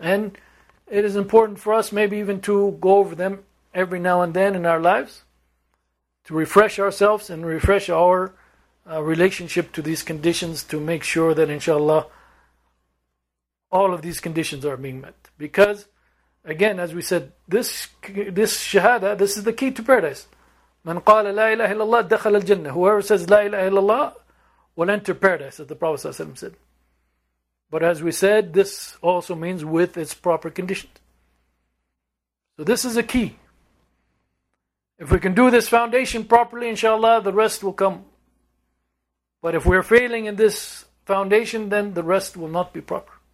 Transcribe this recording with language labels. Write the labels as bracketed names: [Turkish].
[English] And it is important for us maybe even to go over them every now and then in our lives to refresh ourselves and refresh our relationship to these conditions to make sure that, inshallah, all of these conditions are being met. Because, again, as we said, this shahada, this is the key to paradise. [Arabic] مَنْ قَالَ لَا إِلَهَ إِلَّا اللَّهِ دَخَلَ الْجَنَّةِ [English] Whoever says لَا إِلَهَ إِلَّا اللَّهِ will enter paradise, as the Prophet ﷺ said. But as we said, this also means with its proper conditions. So this is a key. If we can do this foundation properly, inshallah, the rest will come. But if we're failing in this foundation, then the rest will not be proper.